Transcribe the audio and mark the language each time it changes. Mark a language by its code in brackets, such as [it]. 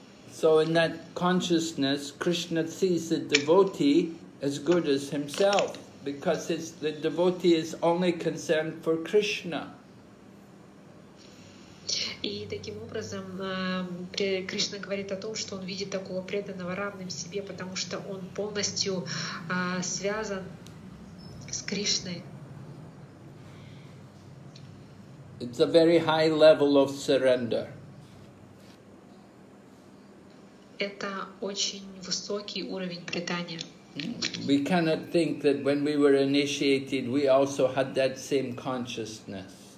[en] So in that consciousness, Krishna sees the devotee as good as himself, because the devotee is only concerned for Krishna. [ru] И таким образом Кришна говорит о том, что он видит такого преданного равным себе, потому что он полностью связан с Кришной. [en] It's a very high level of surrender. [ru] Это очень высокий уровень предания. [en] We cannot think that when we were initiated, we also had that same consciousness.